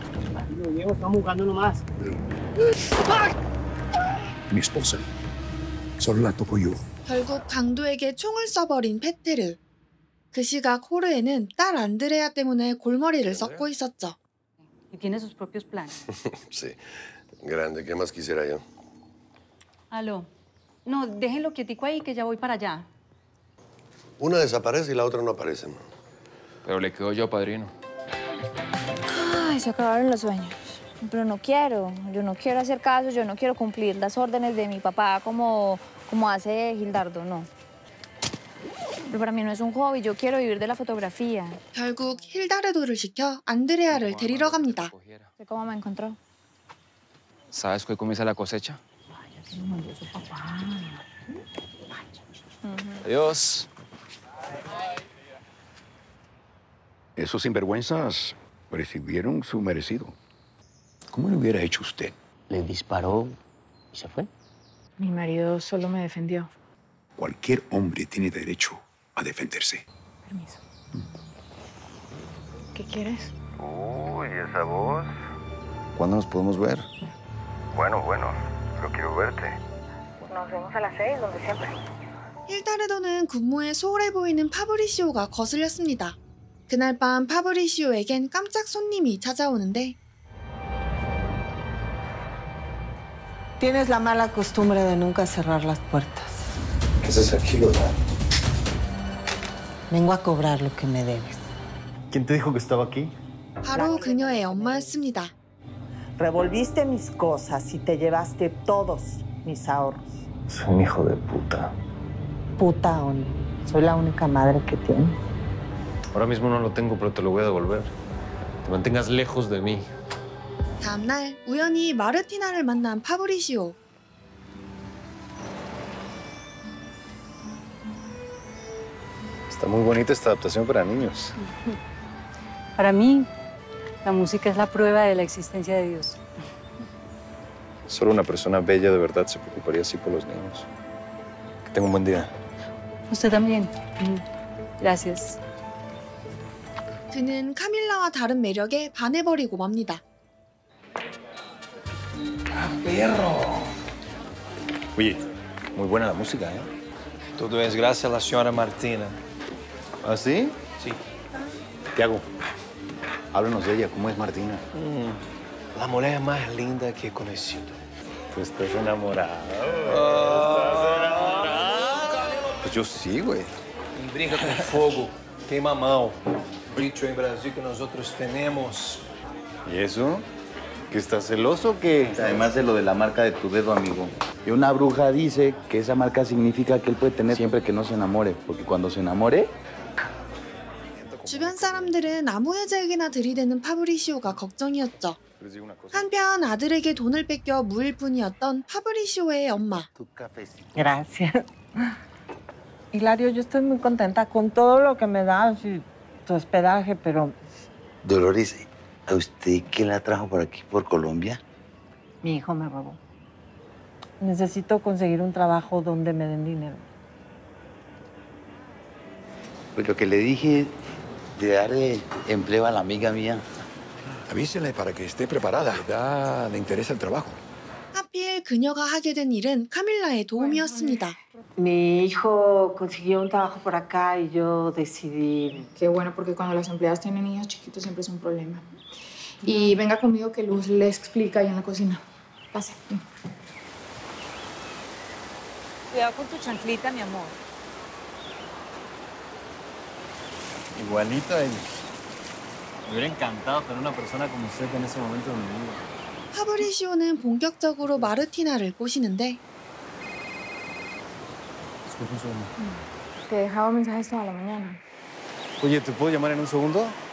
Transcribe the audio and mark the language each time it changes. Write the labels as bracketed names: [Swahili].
[Spanish] Imagino, Diego, está jugando nomás. Mi esposa. Solo la toco yo. [Korean] 결국 강도에게 총을 써버린 페테르. 그 시각 호르에는 딸 안드레아 때문에 골머리를 썩고 있었죠. [Spanish] Tiene sus propios planes. Sí, grande. ¿Qué más quisiera yo? Aló. No, déjenlo quietico ahí, que ya voy para allá. Una desaparece y la otra no aparece. Pero le quedo yo, padrino. Ay, se acabaron los sueños. Pero no quiero. Yo no quiero hacer caso. Yo no quiero cumplir las órdenes de mi papá como hace Gildardo, no. Pero para mí no es un hobby. Yo quiero vivir de la fotografía. [Korean] 결국 힐다르도를 시켜 안드레아를 데리러 갑니다. [Spanish] ¿Cómo me encontró? ¿Sabes que hoy comienza la cosecha? Adiós. Esos sinvergüenzas recibieron su merecido. ¿Cómo lo hubiera hecho usted? Le disparó y se fue. Mi marido solo me defendió. Cualquier hombre tiene derecho a defenderse. Permiso. ¿Qué quieres? Uy, esa voz. ¿Cuándo nos podemos ver? Bueno, bueno. Pero quiero verte. Nos vemos a las 6, donde siempre. [Korean] 힐다르도는 근무에 소홀해 보이는 파브리시오가 거슬렸습니다. 그날 밤 파브리시오에겐 깜짝 손님이 찾아오는데 [Spanish] Tienes la mala costumbre de nunca cerrar las puertas. ¿Qué haces aquí, Lola? Vengo a cobrar lo que me debes. ¿Quién te dijo que estaba aquí? [Korean] 바로 그녀의 엄마였습니다. [Spanish] Revolviste mis cosas y te llevaste todos mis ahorros. Soy un hijo de puta. Puta o no, soy la única madre que tienes. Ahora mismo no lo tengo, pero te lo voy a devolver. Te mantengas lejos de mí. [Korean] 다음 날 우연히 마르티나를 만난 파브리시오. [Spanish] Está muy bonita esta adaptación para niños. Para mí, la música es la prueba de la existencia de Dios. Solo una persona bella de verdad se preocuparía así por los niños. Que tenga un buen día. Usted también. Gracias. [Korean] 그는 카밀라와 다른 매력에 반해버리고 맙니다. [Spanish] ¡Perro! Oye, muy buena la música, ¿eh? Todo es gracias a la señora Martina. ¿Ah, sí? Sí. Tiago, háblanos de ella. ¿Cómo es Martina? La mujer más linda que he conocido. Tú estás enamorado. Pues yo sí, güey. Brinca con fuego, quema mal. Dicho en Brasil que nosotros tenemos. ¿Y eso? ¿Que estás celoso o qué? Además de lo de la marca de tu dedo, amigo. Y una bruja dice que esa marca significa que él puede tener siempre que no se enamore. Porque cuando se enamore... [Korean] 주변 사람들은 아무 해제에게나 들이대는 파브리시오가 걱정이었죠. 한편 아들에게 돈을 뺏겨 물 뿐이었던 파브리시오의 엄마. [Spanish] Gracias. Hilario, yo estoy muy contenta con todo lo que me das y tu hospedaje, pero... Dolores. ¿A usted qué la trajo por aquí, por Colombia? Mi hijo me robó. Necesito conseguir un trabajo donde me den dinero. Pues lo que le dije de darle empleo a la amiga mía. Avísele para que esté preparada. Le interesa el trabajo. [Korean] 하필 그녀가 하게 된 일은 카밀라의 도움이었습니다. [Spanish] Mi hijo consiguió un trabajo por acá y yo decidí... Qué bueno, porque cuando las empleadas tienen hijos chiquitos siempre es un problema. Y venga conmigo que Luz le explica ahí en la cocina. Pase. Cuidado con tu chanclita, mi amor. Igualito a ellos. Me hubiera encantado tener una persona como usted en ese momento de mi vida. [Korean] 파브리시오는 본격적으로 마르티나를 꼬시는데 [Spanish] Te dejaba mensajes toda la mañana. Oye, ¿te puedo llamar en un segundo?